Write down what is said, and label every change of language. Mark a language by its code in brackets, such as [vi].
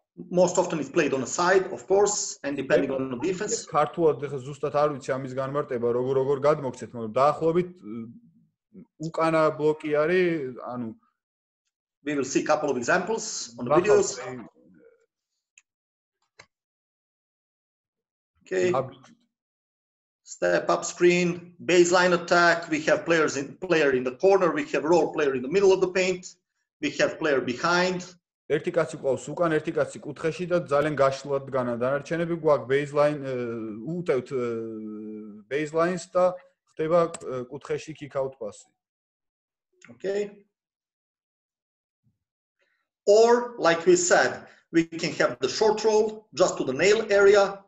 [en] Most often it's played on a side, of course, and depending on the defense. [ka] ქართულად ეხა ზუსტად არ ვიცი ამის განმარტება, როგორ გადმოგცეთ, მაგრამ დაახლოებით უკანა ბლოკი არის, ანუ [en] we will see a couple of examples on the videos. Okay. Step up screen, baseline attack, we have players in player in the corner, we have role player in the middle of the paint, we have player behind. [ka] ერთი კაცი ყავს უკან, ერთი კაცი კუთხეში და ძალიან გაშლად განა დანარჩენები გვაქვს baseline უტევთ baseline-ს და ხდება კუთხეში kick out pass-ი. [en] Okay. Or like we said, we can have the short roll just to the nail area.